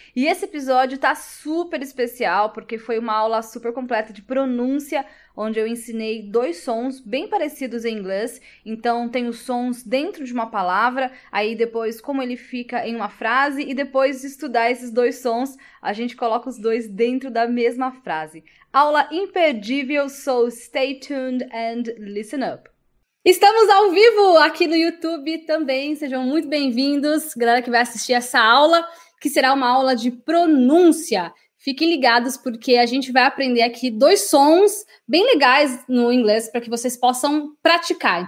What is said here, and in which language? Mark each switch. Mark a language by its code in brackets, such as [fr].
[pt] E esse episódio tá super especial porque foi uma aula super completa de pronúncia, onde eu ensinei dois sons bem parecidos em inglês. Então, tem os sons dentro de uma palavra, aí depois como ele fica em uma frase e depois de estudar esses dois sons, a gente coloca os dois dentro da mesma frase. Aula imperdível, [en] so stay tuned and listen up. [pt] Estamos ao vivo aqui no YouTube também, sejam muito bem-vindos, galera que vai assistir essa aula, que será uma aula de pronúncia. Fiquem ligados porque a gente vai aprender aqui dois sons bem legais no inglês para que vocês possam praticar.